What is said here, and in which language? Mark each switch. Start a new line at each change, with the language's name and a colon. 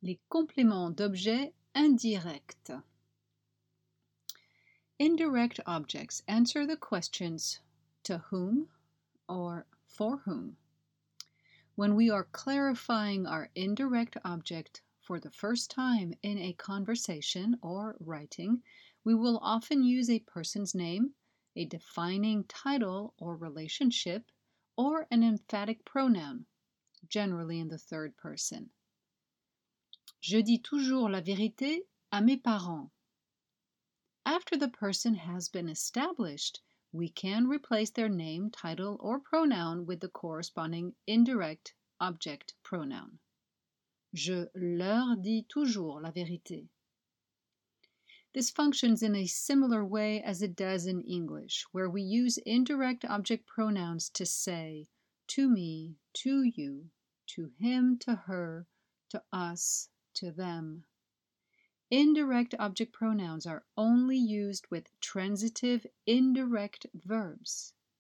French: Les compléments d'objets indirects.
English: Indirect objects answer the questions to whom or for whom. When we are clarifying our indirect object for the first time in a conversation or writing, we will often use a person's name, a defining title or relationship, or an emphatic pronoun, generally in the third person.
French: Je dis toujours la vérité à mes parents.
English: After the person has been established, we can replace their name, title, or pronoun with the corresponding indirect object pronoun.
French: Je leur dis toujours la vérité.
English: This functions in a similar way as it does in English, where we use indirect object pronouns to say to me, to you, to him, to her, to us, to them. Indirect object pronouns are only used with transitive indirect verbs.